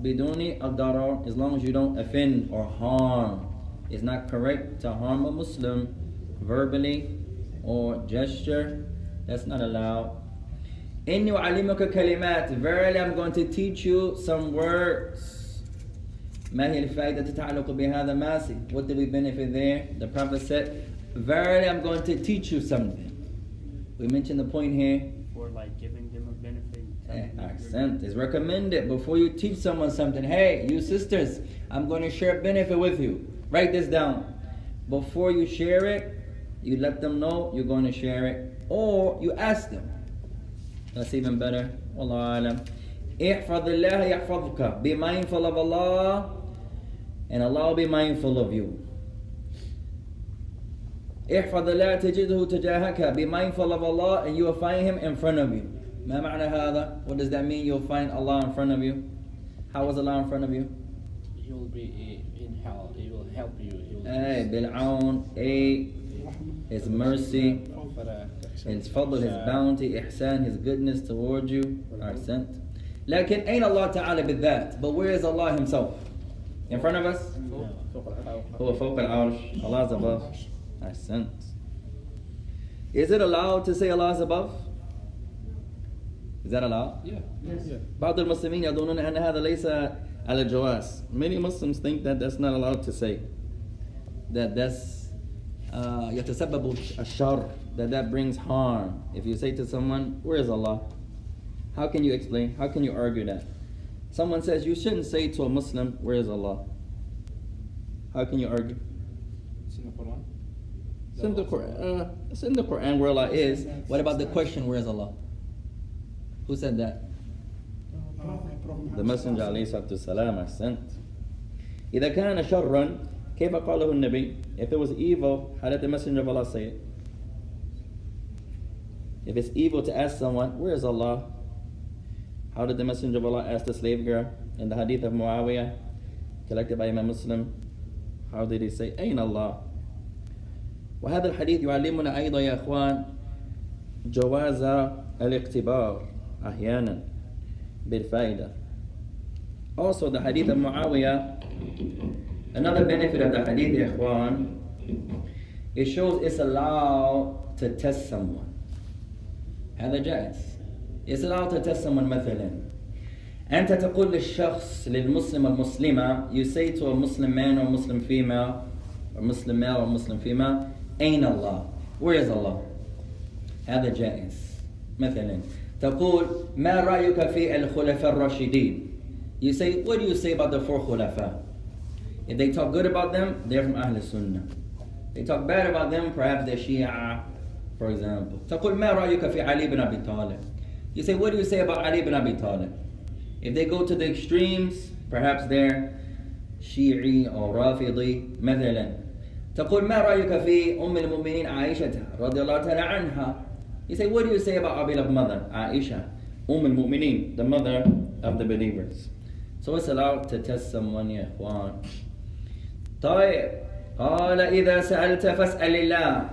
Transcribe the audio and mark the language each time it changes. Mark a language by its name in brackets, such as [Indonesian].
[Arabic] بدون الضرر. [English] As long as you don't offend or harm. It's not correct to harm a Muslim verbally or gesture. That's not allowed. [Arabic] إني أعلمك كلمات. [English] Verily, I'm going to teach you some words. [Arabic] ما هي الفائدة تتعلق بهذا ماسي. [English] What do we benefit there? The Prophet said, verily, I'm going to teach you something. We mentioned the point here. For like giving them a benefit. Accent is recommended. Before you teach someone something, hey, you sisters, I'm going to share a benefit with you. Write this down. Before you share it, you let them know you're going to share it. Or you ask them. That's even better. Wallahu a'lam. [Arabic] احفظ الله يحفظك. [English] Be mindful of Allah, and Allah will be mindful of you. [Arabic] احفظ الله تجده تجاهك. [English] Be mindful of Allah and you will find him in front of you. [Arabic] ما معنى هذا? [English] What does that mean? You'll find Allah in front of you. How is Allah in front of you? He will be in hell. He will help you. Hey, بالعون. His mercy. His fadl, his bounty. إحسان, his goodness towards you. [Arabic] أحسن. لكن أين الله تعالى بالذات? [English] But where is Allah himself? In front of us? No. [Arabic] هو فوق العرش. [English] Allah is above. I sent. Is it allowed to say Allah is above? Is that allowed? Yeah. [Arabic] بعض المسلمين يظنون أن هذا ليس على جواز. [English] Many Muslims think that that's not allowed to say. That that's [Arabic] يتسبب الشر. [English] That brings harm. If you say to someone, where is Allah? How can you explain? How can you argue that? Someone says you shouldn't say to a Muslim, where is Allah? How can you argue? It's in the Quran where Allah is. What about the question, where is Allah? Who said that? The Messenger alayhi salatu wasalam sent. [Arabic] إذا كان شرا كيف قاله النبي? [English] If it was evil, how did the Messenger of Allah say it? If it's evil to ask someone, where is Allah? How did the Messenger of Allah ask the slave girl in the Hadith of Muawiyah, collected by Imam Muslim? How did he say, أين الله? [Arabic] وهذا الحديث يعلمنا أيضا يا أخوان جواز الاقتبار أحيانا بالفائدة. [English] Also the hadith of Muawiyah, another benefit of the hadith [Arabic] يا أخوان, [English] it shows it's allowed to test someone. [Arabic] هذا جائز. [English] It's allowed to test someone [Arabic] مثلا. أنت تقول للشخص للمسلم المسلمة, [English] you say to a Muslim man or Muslim female, or Muslim male or Muslim female, [Arabic] أين الله? [English] Where is Allah? [Arabic] هذا جائز. مثلا تقول ما رأيك في الخلفاء الراشدين? [English] You say, what do you say about the four خلفاء? If they talk good about them, they're from أهل السنة. They talk bad about them, perhaps they're Shia, for example. [Arabic] تقول ما رأيك في علي بن أبي طالب? [English] You say, what do you say about علي بن أبي طالب? If they go to the extremes, perhaps they're Shi'i or Rafidi. [Arabic] مثلا تقول ما رأيك في أم المؤمنين عائشة رضي الله تعالى عنها? [English] You say, what do you say about our beloved mother, Aisha? أم المؤمنين, the mother of the believers. So it's allowed to test someone, ya إخوان. [Arabic] طيب, قال إذا سألت فاسأل الله.